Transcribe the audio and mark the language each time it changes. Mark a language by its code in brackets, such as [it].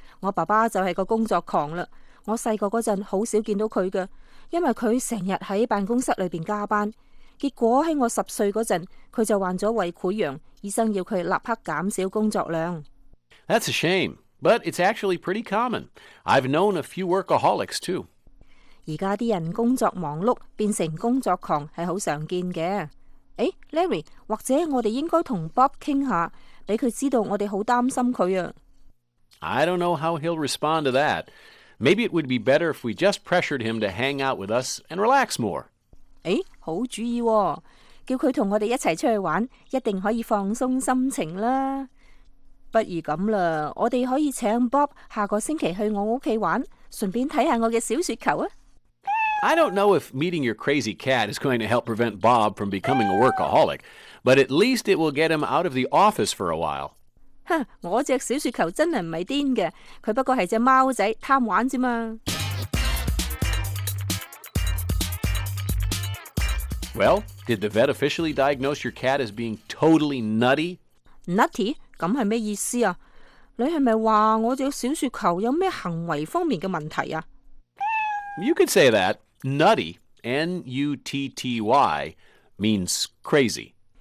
[yue] 我爸爸就系个工作狂啦。我细个嗰阵好少见到佢噶。因为佢成日喺办公室里边加班，结果喺我十岁嗰阵，佢就患咗胃溃疡，医生要佢立刻减少工作量。 [en] That's a shame, but it's actually pretty common. I've known a few workaholics too. [yue] 而家啲人工作忙碌变成工作狂系好常见嘅。诶 ，Larry， 或者我哋应该同 Bob 倾下，俾佢知道我哋好担心佢啊。 [en] I don't know how he'll respond to that. Maybe it would be better if we just pressured him to hang out with us and relax more. [yue] 诶，好主意哦！叫佢同我哋一齐出去玩，一定可以放松心情啦。不如咁啦，我哋可以请 Bob 下个星期去我屋企玩，顺便睇下我嘅小雪球啊。 [en] I don't know if meeting your crazy cat is going to help prevent Bob from becoming a workaholic, but at least it will get him out of the office for a while. [yue] 我只小雪球真系唔系癫嘅，佢不过系只猫仔贪玩啫嘛。 [en] Well, did the vet officially diagnose your cat as being totally nutty? [yue] Nutty？ 咁系咩意思啊？你系咪话我只小雪球有咩行为方面嘅问题啊 [en] ？You could say that nutty, N-U-T-T-Y, means crazy.